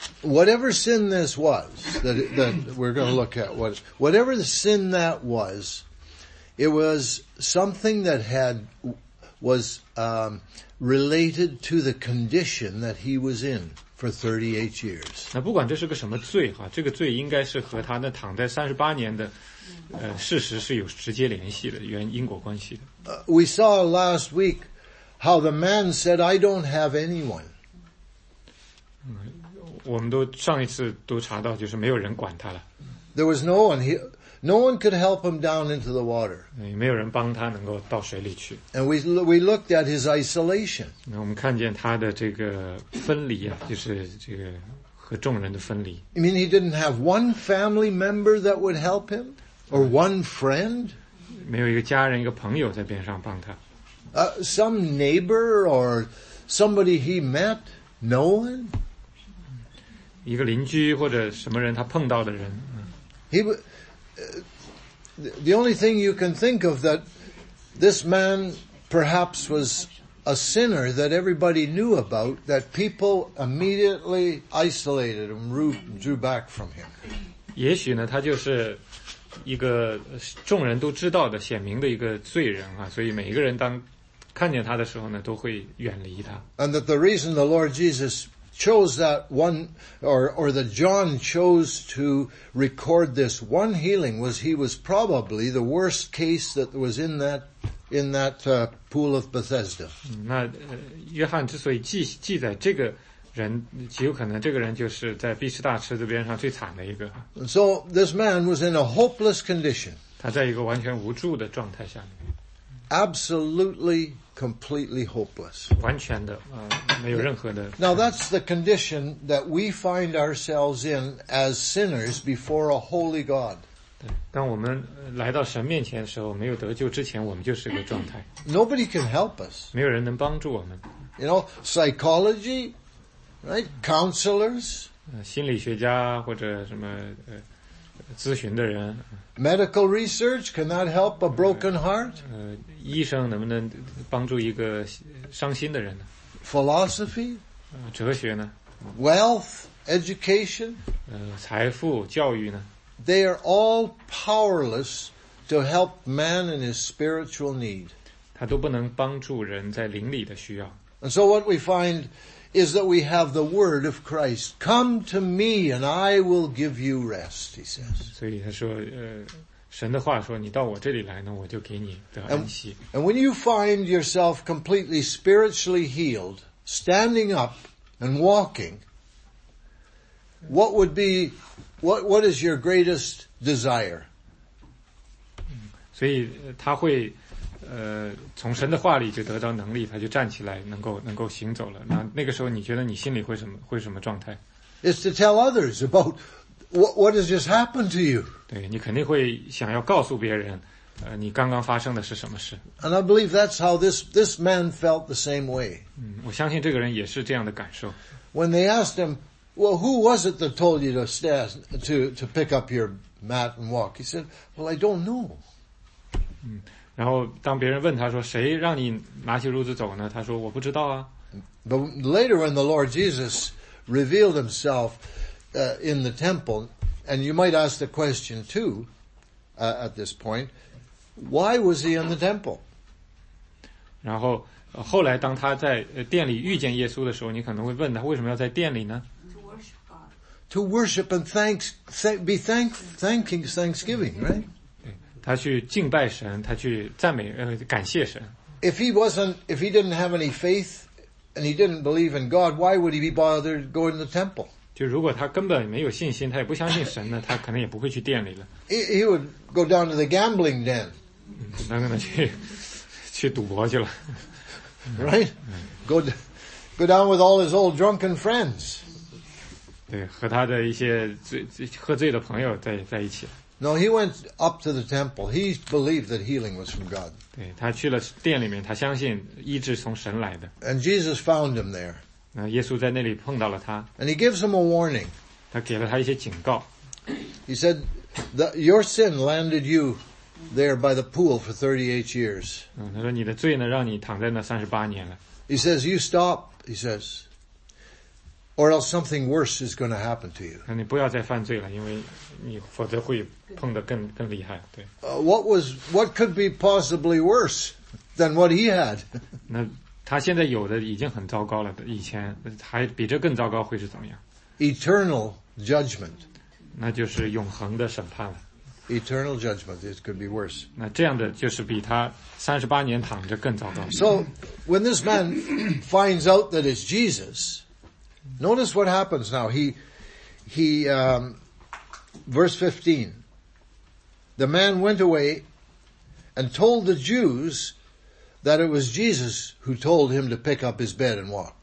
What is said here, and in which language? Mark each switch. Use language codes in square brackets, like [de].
[en] Whatever sin this was that we're going to look at was whatever the sin that was, it was something that was related to the condition that he was in for 38 years. [zh] 那不管这是个什么罪哈，这个罪应该是和他那躺在38年的。事实是有直接联系的，原因果关系的。 [en] We saw last week how the man said, "I don't have anyone." [zh] 我们都上一次都查到，就是没有人管他了。 [en] There was no one. No one could help him down into the water. [zh] 也没有人帮他能够到水里去。 [en] And we looked at his isolation. [zh] 那我们看见他的这个分离啊，就是这个和众人的分离。 [en] I mean, he didn't have one family member that would help him. Or one friend? [zh] 没有一个家人，一个朋友在边上帮他。 [en] Some neighbor or somebody he met? No one? [zh] 一个邻居或者什么人他碰到的人。 [en] The only thing you can think of that this man perhaps was a sinner that everybody knew about, that people immediately isolated and drew back from him. [zh] 也许呢，他就是一个众人都知道的显明的一个罪人啊，所以每一个人当看见他的时候呢，都会远离他。 [en] And that the reason the Lord Jesus chose that one, or that John chose to record this one healing was he was probably the worst case that was in that pool of Bethesda. [zh] 那约翰之所以记载这个人，极有可能这个人就是在毕士大池子边上最惨的一个。 [en] So this man was in a hopeless condition. [zh] 他在一个完全无助的状态下面。 [en] Absolutely, completely hopeless. [zh] 完全的，没有任何的。 [en] Now that's the condition that we find ourselves in as sinners before a holy God. [zh] 当我们来到神面前的时候，没有得救之前，我们就是一个状态。 [en] Nobody can help us. [zh] 没有人能帮助我们。 [en] You know, psychology. Right, counselors, [zh] 心理学家或者什么咨询的人。 [en] Medical research cannot help a broken heart. [zh] 医生能不能帮助一个伤心的人呢 [en] ？Philosophy, [zh] 哲学呢 [en] ？Wealth, education, [zh] 财富教育呢 [en] ？They are all powerless to help man in his spiritual need. [zh] 他都不能帮助人在灵里的需要。 [en] And so what we find. Is that we have the word of Christ. Come to me and I will give you rest, he says. [zh] 所以他说，神的话说，你到我这里来呢，我就给你得安息。 [en] And when you find yourself completely spiritually healed, standing up and walking, what is your greatest desire? [zh] 所以他会，从神的话里就得到能力，他就站起来，能够行走了。那个时候，你觉得你心里会什么状态 [en] ？It's to tell others about what has just happened to you. [zh] 对你肯定会想要告诉别人，你刚刚发生的是什么事 [en] ？And I believe that's how this man felt the same way. [zh] 我相信这个人也是这样的感受。 [en] When they asked him, "Well, who was it that told you to stand to pick up your mat and walk?" He said, "Well, I don't know." [zh] 然后当别人问他说谁让你拿起褥子走呢他说我不知道啊。 [en] But later when the Lord Jesus revealed himself, in the temple, and you might ask the question too, at this point, why was he in the temple? [zh] 然后后来当他在殿里遇见耶稣的时候你可能会问他为什么要在殿里呢 [en] To worship and thanking thanksgiving, right? [zh] 他去敬拜神，他去赞美，感谢神。 [en] If he didn't have any faith and he didn't believe in God, why would he be bothered going to the temple? [zh] 就如果他根本没有信心，他也不相信神呢，他可能也不会去店里了。 [en] He would go down to the gambling den. [zh] 那可能去赌博去了。 [en] Right? Go go down with all his old drunken friends. [zh] 对，和他的一些喝醉的朋友在一起。 [en] No, he went up to the temple. He believed that healing was from God. [zh] 对，他去了殿里面，他相信医治从神来的。 [en] And Jesus found him there. [zh] 那耶稣在那里碰到了他。 [en] And he gives him a warning. [zh] 他给了他一些警告。 [en] He said, "Your sin landed you there by the pool for 38 years." [zh] 嗯，他说你的罪呢，让你躺在那38年了。 [en] He says, "You stop." He says. Or else something worse is going to happen to you. [zh] 那你不要再犯罪了，因为你否则会碰得更厉害。对。 [en] What could be possibly worse than what he had? [zh] 那他现在有的已经很糟糕了，以前还比这更糟糕会是怎么样 [en] ？Eternal judgment. [zh] 那就是永恒的审判了。 [en] Eternal judgment. It could be worse. [zh] 那这样的就是比他三十八年躺着更糟糕。 [en] So when this man finds out that it's Jesus. Notice what happens now. Verse 15. The man went away and told the Jews that it was Jesus who told him to pick up his bed and walk.